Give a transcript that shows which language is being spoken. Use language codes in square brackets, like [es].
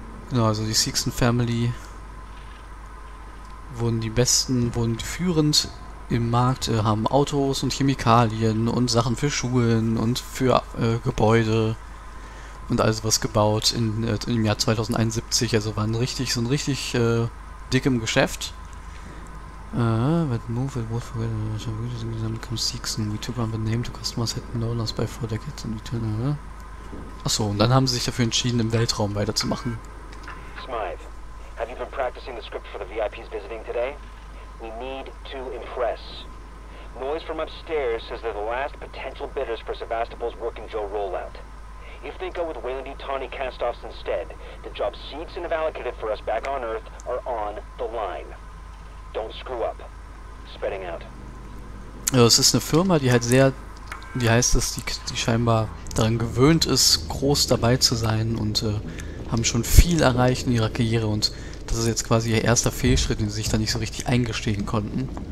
[de] Genau, also die Sexton Family wurden die besten, wurden führend im Markt, haben Autos und Chemikalien und Sachen für Schulen und für Gebäude und alles was gebaut im Jahr 2071. Also waren richtig, so ein richtig dick im Geschäft. Achso, und dann haben sie sich dafür entschieden, im Weltraum weiterzumachen. [en] Smythe, have you been practicing the script for the VIPs visiting today? We need to impress. Noise from upstairs says they're the last potential bidders for Sevastopol's Working Joe rollout. If they go with Weyland-Yutani castoffs instead, the job Seeds and have allocated for us back on Earth are on the line. Don't screw up. Spreading out. [de] Also es ist eine Firma, die halt sehr, wie heißt das, die scheinbar daran gewöhnt ist, groß dabei zu sein und haben schon viel erreicht in ihrer Karriere und das ist jetzt quasi ihr erster Fehlschritt, den sie sich da nicht so richtig eingestehen konnten.